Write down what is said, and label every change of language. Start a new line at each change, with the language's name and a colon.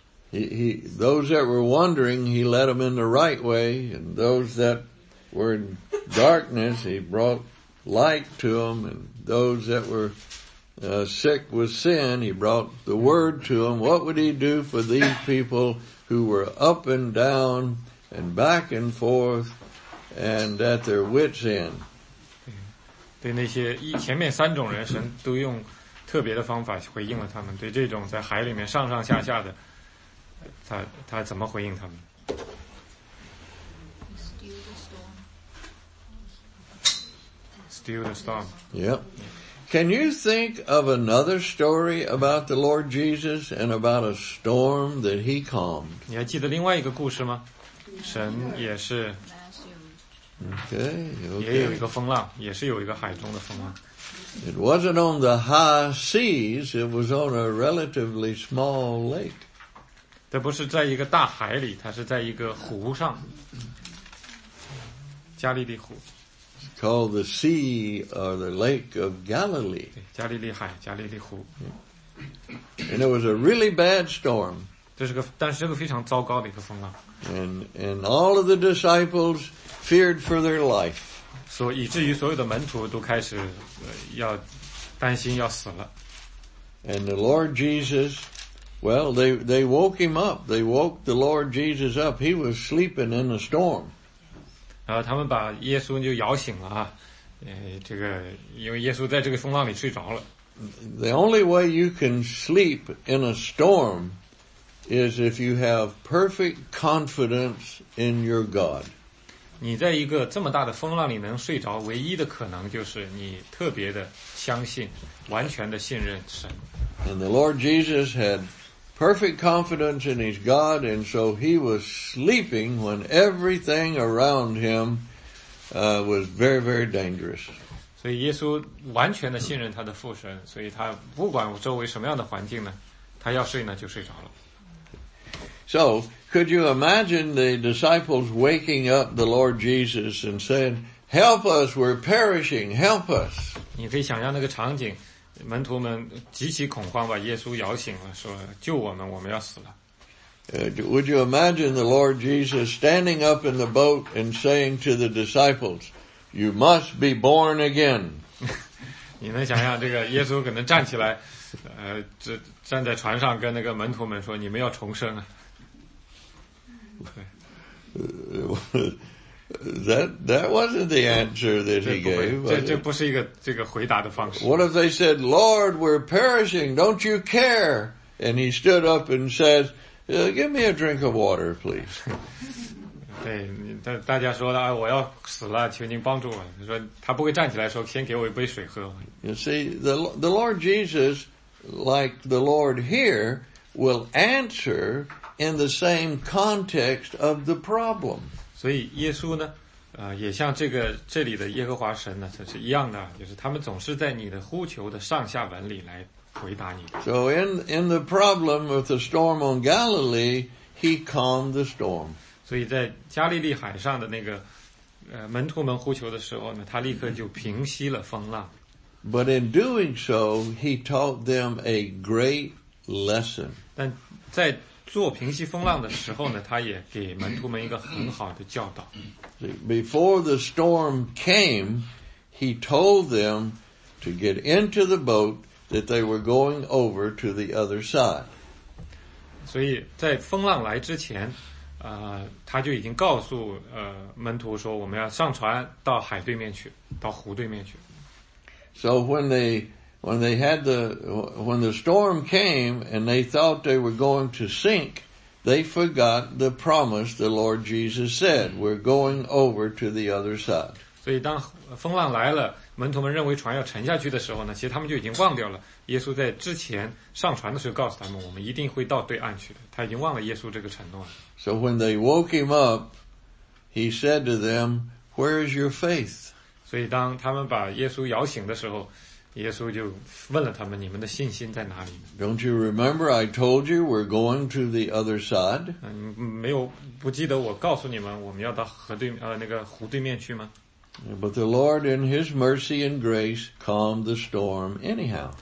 English: He, those that were wondering, he led them in the right way, and those that were in darkness, he brought light to them, and those that were sick with sin, he brought the word to them. What would he do for these people who were up and down and back and forth and at their wits' end?
Chinese: 对那些前面三种人，神都用特别的方法回应了他们。对这种在海里面上上下下的，他怎么回应他们？
English: Yeah. Can you think of another story about the Lord Jesus and about a storm that he calmed?
Chinese: 你还记得另外一个故事吗？神也是。
English: Okay, okay.
Chinese: 也有一个风浪，也是有一个海中的风浪。
English: It wasn't on the high seas, it was on a relatively small lake.
Chinese: 它不是在一个大海里，它是在一个湖上。加利利湖。
English: Called the Sea or the Lake of Galilee.
Chinese: 加利利海，加利利湖。
English: And it was a really bad storm.
Chinese: 但是是个非常糟糕的一个风浪。
English: And all of the disciples feared for their life.
Chinese: 以至于所有的门徒都开始要担心要死了。
English: And the Lord Jesus, well, they woke him up. They woke the Lord Jesus up. He was sleeping in a storm.
Chinese: 然后他们把耶稣就摇醒了啊，这个因为耶稣在这个风浪里睡着了。
English: The only way you can sleep in a storm is if you have perfect confidence in your God.
Chinese: 你在一个这么大的风浪里能睡着，唯一的可能就是你特别的相信，完全的信任神。
English: And the Lord Jesus had perfect confidence in his God, and so he was sleeping when everything around him, was very, very dangerous.
Chinese: 所以耶稣完全的信任他的父神，所以他不管周围什么样的环境呢，他要睡呢就睡着了。
English: So, could you imagine the disciples waking up the Lord Jesus and saying, "Help us, we're perishing, help us."
Chinese: 你可以想象那个场景，门徒们极其恐慌，把耶稣摇醒了，说，救我们，我们要死了。
English: Would you imagine the Lord Jesus standing up in the boat and saying to the disciples, "You must be born again."
Chinese: 你能想象这个耶稣可能站起来，站在船上跟那个门徒们说，你们要重生啊。
English: That wasn't the answer that he gave.
Chinese: 这不是一个这个回答的方式。
English: What if they said, "Lord, we're perishing. Don't you care?" And he stood up and said, "Give me a drink of water, please."
Chinese: 对，大家说的，哎，我要死了，求您帮助我。他说他不会站起来说，先给我一杯水喝。
English: You see, the Lord Jesus, like the Lord here, will answer in the same context of the problem.
Chinese: 所以耶稣呢，也像这个这里的耶和华神呢，这是一样的，就是他们总是在你的呼求的上下文里来回答你。
English: So in the problem of the storm on Galilee, he calmed the storm.
Chinese: 所以在加利利海上的那个门徒们呼求的时候呢，他立刻就平息了风浪。
English: But in doing so, he taught them a great lesson.
Chinese: 但在做平息风浪的时候呢，他也给门徒们一个很好的教导。
English: Before the storm came, he told them to get into the boat that they were going over to the other side.
Chinese: 所以在风浪来之前，他就已经告诉门徒说，我们要上船到海对面去，到湖对面去。
English: So when the storm came and they thought they were going to sink, they forgot the promise the Lord Jesus said, "We're going over to the other side."
Chinese: 所以当风浪来了，门徒们认为船要沉下去的时候呢，其实他们就已经忘掉了耶稣在之前上船的时候告诉他们，我们一定会到对岸去的。他已经忘了耶稣这个承诺了。
English: So when they woke him up, he said to them, "Where is your faith?"
Chinese: 所以当他们把耶稣摇醒的时候，耶稣就问了他们，你们的信心在哪里呢？
English: Don't you remember I told you we're going to the other side?
Chinese: 没有，不记得我告诉你们我们要到河对那个湖对面去吗？
English: But the Lord in his mercy and grace calmed the storm anyhow.